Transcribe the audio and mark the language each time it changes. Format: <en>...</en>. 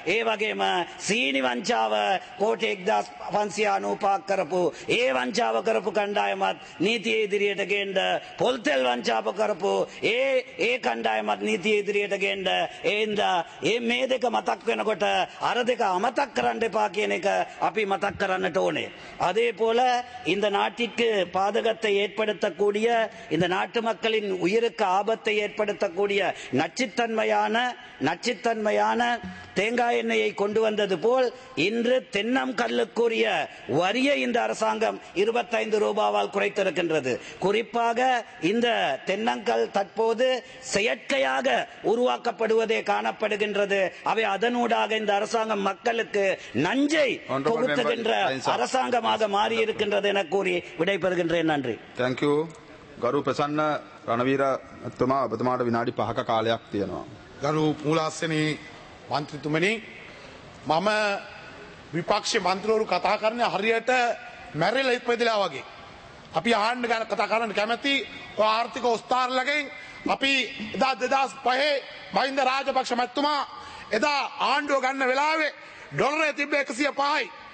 <si>ඒ වගේම සීනි වංචාව කෝටි 1595 කරපු ඒ වංචාව කරපු කණ්ඩායමත් නීතිය ඉදිරියට ගේන්න, පොල්තෙල් වංචාව කරපු ඒ කණ්ඩායමත් නීතිය ඉදිරියට ගේන්න. එහෙනම් මේ දෙක මතක් වෙනකොට අර දෙක අමතක් කරන්න එපා කියන එක අපි මතක් කරන්නට ඕනේ.</si> <ta>அதே போல இந்த நாட்டிற்கு பாதகத்தை ஏற்படுத்தக்கூடிய இந்த நாட்டு மக்களின் உயிருக்கு ஆபத்தை ஏற்படுத்தக்கூடிய நச்சுத்தன்மையான தேங்காய் எண்ணெயை கொண்டு வந்தது போல் இன்று தென்னம் கல்லுக்குரிய வரியை இந்த அரசாங்கம் 25 ரூபாவால் குறைத்திருக்கின்றது. குறிப்பாக இந்த தென்னங்கல் தற்போது செயற்கையாக உருவாக்கப்படுவதே காணப்படுகின்றது. அவை அதனூடாக இந்த அரசாங்கம் மக்களுக்கு நஞ்சை கொடுத்துகின்ற அரசாங்கமாக மாறியிருக்கின்றது என கூறி விடைபெறுகின்றேன். நன்றி.</ta> <en>Thank you.</en> <si>ගරු ප්‍රසන්න රණවීරතුමා, ඔබතුමාට විනාඩි 5ක කාලයක් තියෙනවා. ගරු මූලාසනී මන්ත්‍රීතුමනි, මම විපක්ෂ මන්ත්‍රීවරු කතා කරන්නේ හරියට මැරිලා ඉපදිලා වගේ. අපි ආහන්න ගන්න කතා කරන්න කැමැති ආර්ථික ඔස්තාරලකෙන් අපි එදා 2005 මහින්ද රාජපක්ෂ මැතිතුමා එදා ආණ්ඩුව ගන්න වෙලාවේ ඩොලරේ තිබ්බ 105යි.</si>